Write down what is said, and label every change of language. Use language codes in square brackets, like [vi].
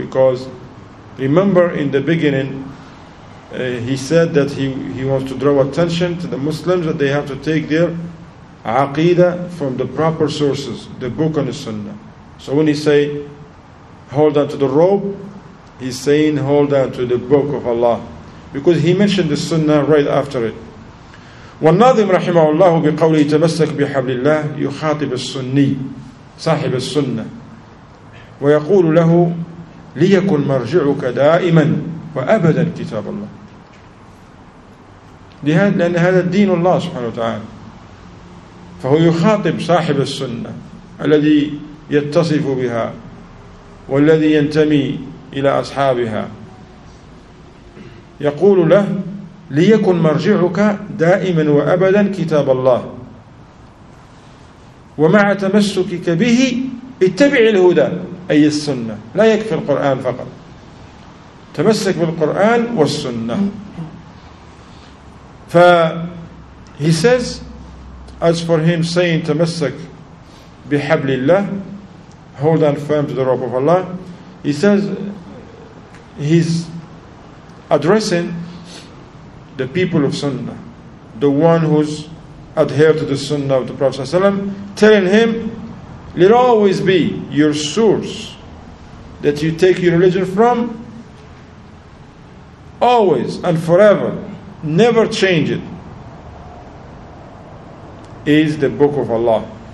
[en] Because remember in the beginning, he said that he wants to draw attention to the Muslims that they have to take their aqeedah from the proper sources, the book and the sunnah. So when he say, hold on to the rope, he's saying, hold on to the book of Allah. Because he mentioned the sunnah right after it. [ar] والناظم رحمه الله بقوله تمسك بحبل الله يخاطب السني صاحب السنة ويقول له ليكن مرجعك دائما وأبدا كتاب الله. لأن هذا دين الله سبحانه وتعالى. فهو يخاطب صاحب السنة الذي يتصف بها والذي ينتمي إلى أصحابها يقول له ليكن مرجعك دائما وأبدا كتاب الله ومع تمسكك به اتبع الهدى أي السنة. لا يكفي القرآن فقط, تمسك بالقرآن والسنة. [en] ف he says as for him saying [ar] تمسك بحبل الله, [en] hold on firm to the rope of Allah, he says he's addressing the people of Sunnah, the one who's adhered to the Sunnah of the Prophet ﷺ, telling him, let always be your source that you take your religion from, always and forever, never change it, is the Book of Allah.